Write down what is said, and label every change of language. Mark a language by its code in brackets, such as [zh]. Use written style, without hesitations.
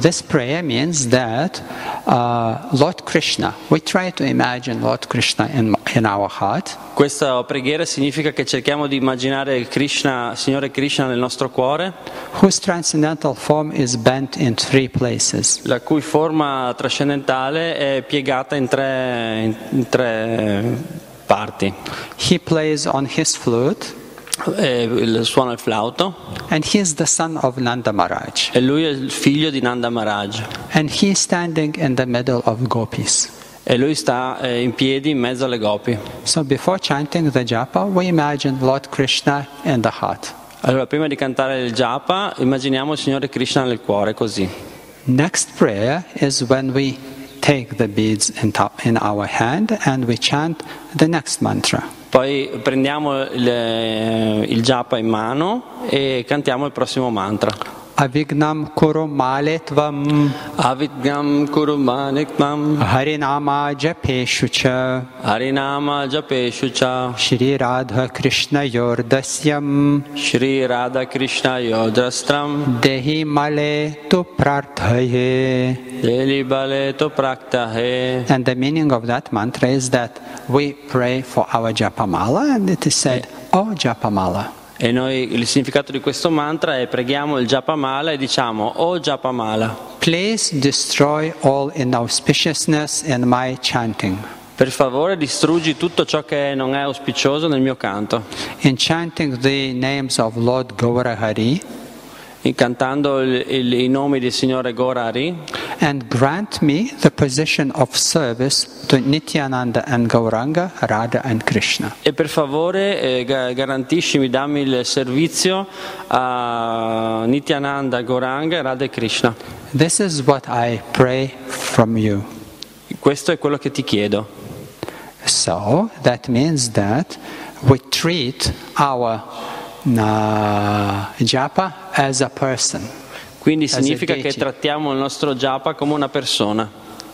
[en] This prayer means that Lord Krishna, we try to imagine Lord Krishna in our heart. [it] Questa preghiera significa che cerchiamo di immaginare Krishna, Signore Krishna nel nostro cuore, [en] whose transcendental form is bent in three places. [it] La cui forma trascendentale è piegata in tre parti. [en] He plays on his flute. [it] Suona il flauto. [en] And he is the son of Nanda Maharaj. [it] E lui è il figlio di Nanda Maharaj. [en] And he is standing in the middle of gopis. [it] E lui sta in piedi in mezzo alle gopi. [en] So before chanting the japa, we imagine Lord Krishna in the heart. [it] Allora, prima di cantare il japa, immaginiamo il Signore Krishna nel cuore, così. [en] Next prayer is when we take the beads in our hand and we chant the next mantra. [it] Poi prendiamo il japa in mano e cantiamo il prossimo mantra. [sa] Avignam kuru male tvam. Avignam kuru male tvam. Harinama japeshu cha. Harinama japeshu cha. Shri Radha Krishna yordasyam. Shri Radha Krishna yordastram. Dehi male tu prarthaye. Dehi male tu prarthaye. [en] And the meaning of that mantra is that we pray for our japamala, and it is said, oh japamala. [it] E noi il significato di questo mantra è preghiamo il japamala e diciamo oh japamala. [en] Please destroy all inauspiciousness in my chanting. [it] Per favore distruggi tutto ciò che non è auspicioso nel mio canto. [en] In chanting the names of Lord Gaurahari. [it] Incantando i nomi del Signore Gaurahari. [en] And grant me the position of service to Nityananda and Gauranga, Radha and Krishna. [it] E per favore garantiscimi, dammi il servizio a Nityananda, Gauranga, Radha e Krishna. [en] This is what I pray from you. [it] Questo è quello che ti chiedo. [en] So that means that we treat our japa as a person. [it] Quindi significa che trattiamo il nostro japa come una persona.